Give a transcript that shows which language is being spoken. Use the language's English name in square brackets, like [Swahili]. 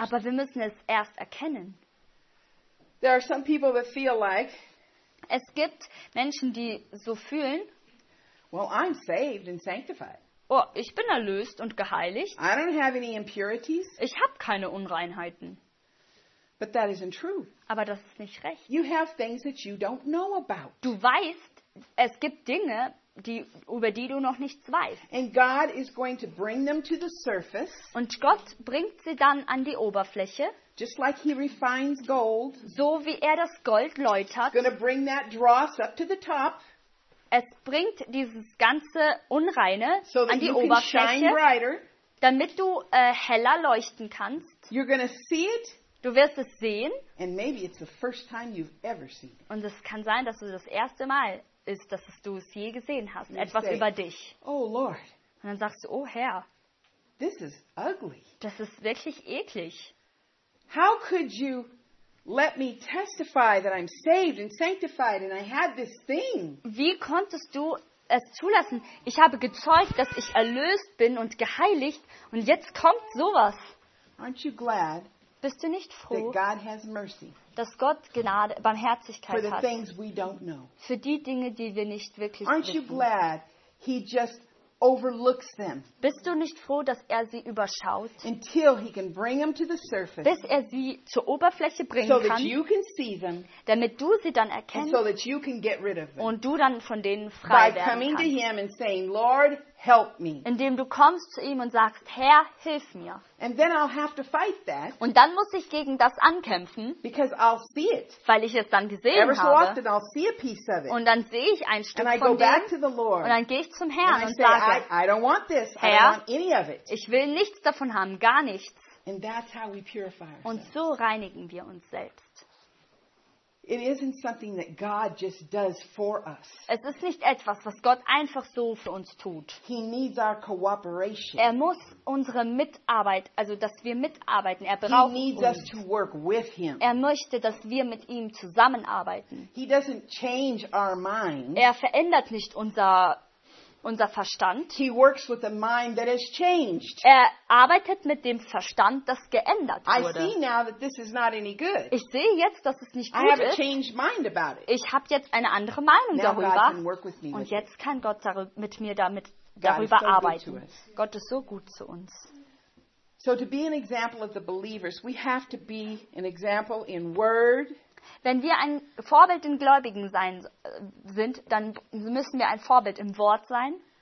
[German] Aber wir müssen es erst erkennen. [English] There are some people that feel like, [German] es gibt Menschen, die so fühlen, [English] well, I'm saved and sanctified. [German] Oh, ich bin erlöst und geheiligt. [English] I don't have any impurities. [German] Ich habe keine Unreinheiten. [English] But that isn't true. [German] Aber das ist nicht recht. [English] You have things that you don't know about. [German] Du weißt, es gibt Dinge, über die du noch nichts weißt. [English] And God is going to bring them to the surface. [German] Und Gott bringt sie dann an die Oberfläche. [English] Just like he refines gold. [German] So wie das Gold läutert. [English] Gonna bring that dross up to the top. [German] Es bringt dieses ganze Unreine an die Oberfläche, damit du heller leuchten kannst. [English] You're gonna see it, [German] du wirst es sehen. [English] And maybe it's the first time you've ever seen it. [German] Und es kann sein, dass es das erste Mal ist, dass du es je gesehen hast, [English] you [German] etwas [English] say, [German] über dich. [English] Oh Lord, [German] und dann sagst du, oh Herr, [English] this is ugly. [German] Das ist wirklich eklig. [English] How could you let me testify that I'm saved and sanctified and I had this thing. [German] Wie konntest du es zulassen? Ich habe gezeugt, dass ich erlöst bin und geheiligt und jetzt kommt sowas. [English] Aren't you glad? [German] Bist du nicht froh, [English] that God has mercy, [German] dass Gott Gnade, Barmherzigkeit [English] for the [German] hat [English] things we don't know. [German] Für die Dinge, die wir nicht wirklich [English] aren't [German] wissen. [English] You glad he just overlooks them. [German] Bist du nicht froh, dass sie überschaut? [English] Until he can bring them to the surface. [German] Bis sie zur Oberfläche bringen [English] so [German] kann. [English] So that you can see them. [German] Damit du sie dann erkennst. [English] So that you can get rid of them. [German] Und du dann von denen frei werden kannst. [English] By coming to him and saying, Lord, help me. [German] Indem du kommst zu ihm und sagst, Herr, hilf mir. [English] And then I'll have to fight that. [German] Und dann muss ich gegen das ankämpfen. [English] Because I'll see it. [German] Weil ich es dann gesehen habe. [English] Every so often I'll see a piece of it. [German] Und dann sehe ich ein Stück [English] and [German] von [English] I go Back to the Lord. [German] Und dann gehe ich zum Herrn und [English] say, [German] sage, [English] I don't want this. [German] Herr, [English] I don't want any of it. [German] Ich will nichts davon haben, gar nichts. [English] And that's how we purify ourselves. [German] Und so reinigen wir uns selbst. [English] It isn't something that God just does for us. [German] Es ist nicht etwas, was Gott einfach so für uns tut. [English] He needs our cooperation. [German] Er muss unsere Mitarbeit, also dass wir mitarbeiten. Er braucht [English] he needs [German] uns. [English] Us to work with him. [German] Er möchte, dass wir mit ihm zusammenarbeiten. [English] He doesn't change our mind. [German] Er verändert nicht unser Verstand. [English] He works with a mind that has changed. [German] Er arbeitet mit dem Verstand, das geändert wurde. [English] I see now that this is not any good. [German] Ich sehe jetzt, dass es nicht gut ist. [English] I have a changed mind about it. [German] Ich habe jetzt eine andere Meinung [English] now [German] darüber. [English] God can work with me [German] und jetzt kann Gott mit mir damit darüber [English] God is so [German] arbeiten. [English] Good to us. [German] Gott ist so gut zu uns. [English] So to be an example of the believers, we have to be an example in word. [German] Wenn wir ein Vorbild in Gläubigen sind, dann müssen wir ein Vorbild im Wort sein,